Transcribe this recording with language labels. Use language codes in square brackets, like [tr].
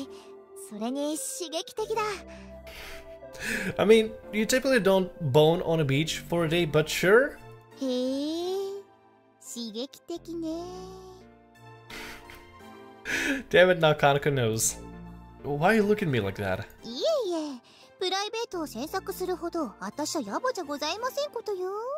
[ja] デートは、デートっていいな。楽しいし、それに刺激的だ。 [en] I mean, you typically don't bone on a beach for a day, but sure. [ja] へえ、刺激的ね。 [en] Damn it, now Kanako knows. Why are you looking at me like that? [ja] いえいえ、プライベートを詮索するほど私は野暮じゃございませんことよ。